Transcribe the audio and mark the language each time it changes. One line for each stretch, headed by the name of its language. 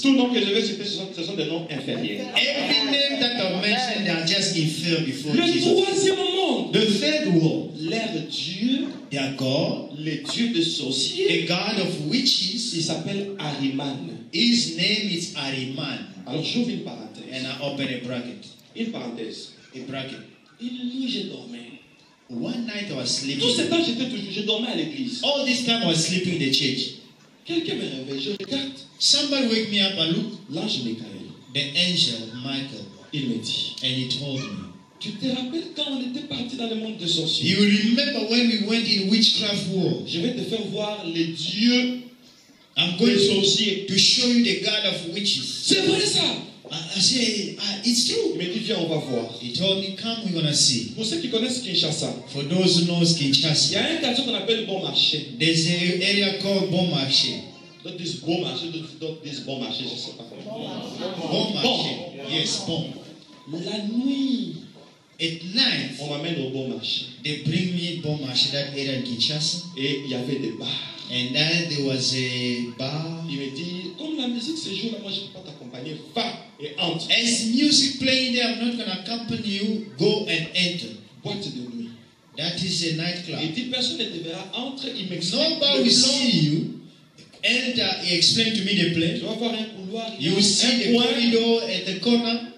French: Tout nom que je vais citer, ce sont des noms inférieurs.
English: Every name that I mentioned, they are just inferior before
French: le
English: Jesus.
French: Le troisième monde.
English: The third world.
French: L'air Dieu.
English: Their God.
French: Le Dieu de sorciers.
English: The God of witches.
French: Il s'appelle Ahriman.
English: His name is Ahriman.
French: Alors j'ouvre une parenthèse.
English: And I open a bracket.
French: Une parenthèse.
English: A bracket.
French: Une nuit, j'ai dormi.
English: One night I was sleeping.
French: Tout ce temps j'étais toujours, je dormais à l'église.
English: All this time I was sleeping in the church.
French: Quelqu'un me réveille, je regarde.
English: Somebody wake me up, I look.
French: L'ange Michael.
English: The angel Michael.
French: Il me dit.
English: And he told me.
French: Tu te rappelles quand on était parti dans le monde des sorciers?
English: You remember when we went in witchcraft war?
French: Je vais te faire voir les dieux.
English: I'm going
French: sorcier.
English: To show you the god of witches.
French: C'est vrai ça?
English: I say, it's true.
French: Mais tu viens, on va voir.
English: He told me, come, we're gonna see.
French: Pour ceux qui connaissent Kinshasa.
English: For those who know Kinshasa.
French: Il y a un quartier qu'on appelle Bon Marché.
English: There's an area called Bon Marché. Not this Bon Marché, not this Bon Marché,
French: je sais pas.
English: Bon Marché. Yes, Bon.
French: La nuit.
English: At night.
French: On m'amène au Bon Marché.
English: They bring me Bon Marché, that area in Kinshasa.
French: Et il y avait des bars.
English: And then there was a bar.
French: Il me dit, comme la musique se joue là, moi je ne peux pas t'accompagner. Va et entre.
English: As music playing there, I'm not going to accompany you. Go and enter.
French: Boîte de nuit.
English: That is a nightclub.
French: Il dit, personne ne te verra. Entre, il m'explique.
English: Nobody will see you. Enter, he explained to me the plan.
French: Tu vas voir un couloir.
English: You will see the corridor at the corner.